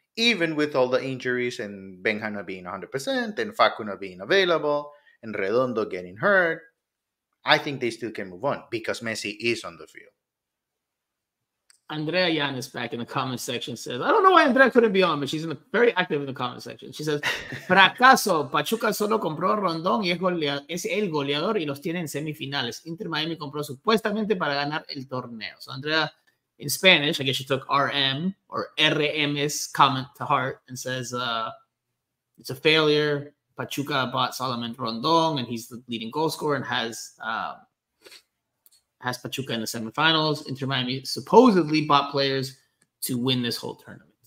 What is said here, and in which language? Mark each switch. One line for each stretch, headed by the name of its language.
English: Even with all the injuries and Benja not being 100% and Facu not being available and Redondo getting hurt, I think they still can move on because Messi is on the field. Andrea Yanis back in the comment section says, I don't know why Andrea couldn't be on, but she's very active in the comment section. She says,
Spanish: Fracaso, Pachuca solo compró Rondón y es el goleador y los tiene en semifinales. Inter Miami compró supuestamente para ganar el torneo.
English: So Andrea, in Spanish, I guess she took RM or RM's comment to heart and says, it's a failure. Pachuca bought Solomon Rondon and he's the leading goal scorer and has Pachuca in the semifinals. Inter Miami supposedly bought players to win this whole tournament.